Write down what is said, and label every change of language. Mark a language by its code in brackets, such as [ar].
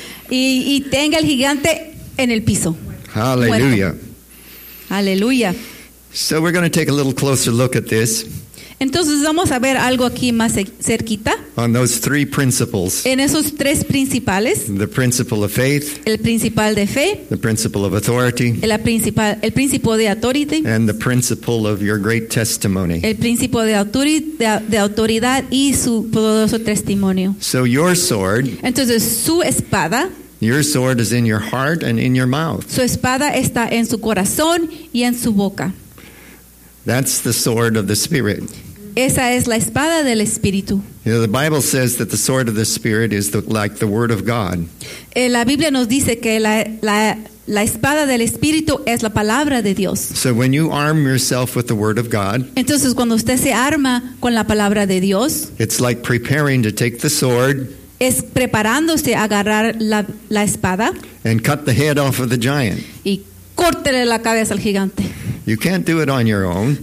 [es] Y tenga el gigante en el piso. [en] Hallelujah. [es] Hallelujah. [en] So we're going to take a little closer look at this. [es] Entonces vamos a ver algo aquí más cerquita. [en] On those three principles. [es] En esos tres principales. [en] The principle of faith. [es] El principal de fe. [en] The principle of authority. [es] El principio de autoridad. [en] And the principle of your great testimony. [es] El principio de autoridad y su poderoso testimonio. [en] So your sword. [es] Entonces su espada. [en] Your sword is in your heart and in your mouth. [es] Su espada está en su corazón y en su boca. [en] That's the sword of the Spirit. [es] Esa es la espada del Espíritu. [en] You know, the Bible says that the sword of the Spirit is like the Word of God. [es] La Biblia nos dice que la espada del Espíritu es la palabra de Dios. [en] So when you arm yourself with the Word of God, [es] entonces cuando usted se arma con la palabra de Dios, [en] it's like preparing to take the sword. [es] Es preparándose a agarrar la espada. [en] And cut the head off of the giant. [es] Y córtele la cabeza al gigante. [en] You can't do it on your own.